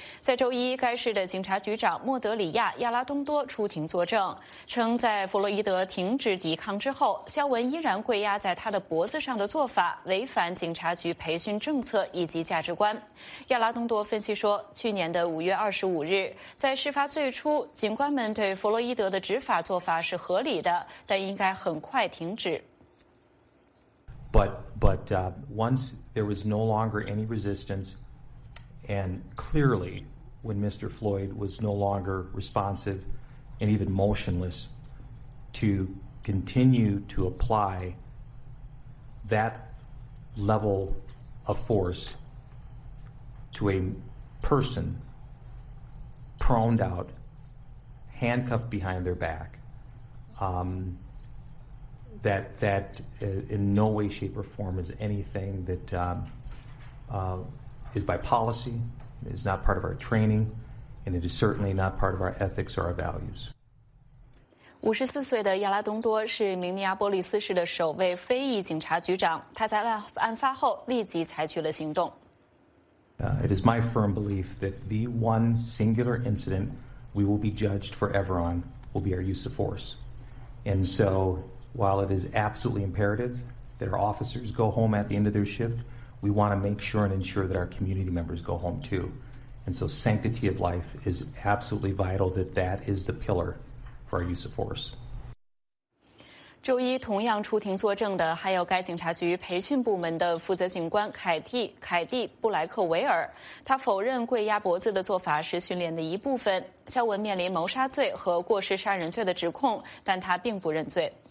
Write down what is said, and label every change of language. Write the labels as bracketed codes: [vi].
[zh] 在周一，该市的警察局长莫德里亚·亚拉东多出庭作证，称在弗洛伊德停止抵抗之后，肖文依然跪压在他的脖子上的做法违反警察局培训政策以及价值观。亚拉东多分析说，去年的5月25日，在事发最初，警官们对弗洛伊德的执法做法是合理的，但应该很快停止。 [en] But once there was no longer any resistance, and clearly when Mr. Floyd was no longer responsive and even motionless, to continue to apply that level of force to a person proned out, handcuffed behind their back, that in no way, shape, or form is anything that is by policy, is not part of our training, and it is certainly not part of our ethics or our values. [zh] 54岁的亚拉东多是明尼阿波利斯市的首位非裔警察局长，他在案发后立即采取了行动。 [en] It is my firm belief that the one singular incident we will be judged forever on will be our use of force. And so,while it is absolutely imperative that our officers go home at the end of their shift, we want to make sure and ensure that our community members go home too. And so sanctity of life is absolutely vital, that is the pillar for our use of force. [zh] 周一同样出庭作证的还有该警察局培训部门的负责警官凯蒂布莱克维尔，他否认跪压脖子的做法是训练的一部分。肖文面临谋杀罪和过失杀人罪的指控，但他并不认罪。